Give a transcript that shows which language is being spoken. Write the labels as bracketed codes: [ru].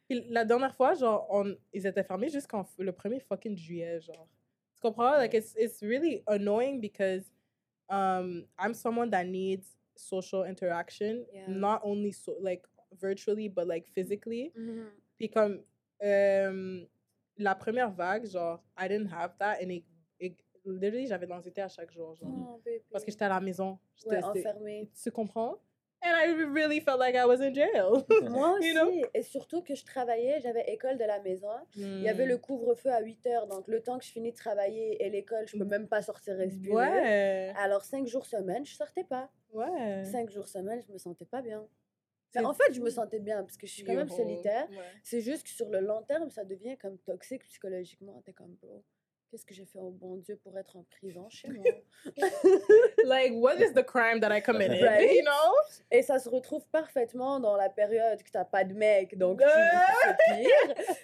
[fr] La dernière fois, genre, ils étaient fermés jusqu'en le 1er fucking juillet, genre. Tu comprends? [en] Like, it's really annoying because I'm someone that needs social interaction, not only so, like, virtually, but, like, physically. Mm-hmm. [fr] Puis comme, la première vague, genre, [en] I didn't have that, and literally, [fr] j'avais de l'anxiété à chaque jour, genre. Oh, parce que j'étais à la maison. J'étais enfermée. Tu comprends? [en] And I really felt like I was in jail. [fr] Moi aussi. [en] You know? [fr] Et surtout que je travaillais, j'avais école de la maison. Mm. Il y avait le couvre-feu à 8 heures. Donc, le temps que je finis de travailler et l'école, je ne peux même pas sortir respirer. Ouais. Alors, 5 jours semaine, je ne sortais pas. Ouais. 5 jours semaine, je ne me sentais pas bien. Mais en fait, je me sentais bien parce que je suis quand même solitaire. Ouais. C'est juste que sur le long terme, ça devient comme toxique psychologiquement. T'es comme, bro, qu'est-ce que j'ai fait au bon Dieu pour être en prison chez moi? [en] Like, what is the crime that I committed, right? You know? [fr] Et ça se retrouve parfaitement dans la période que t'as pas de mec, donc c'est pire.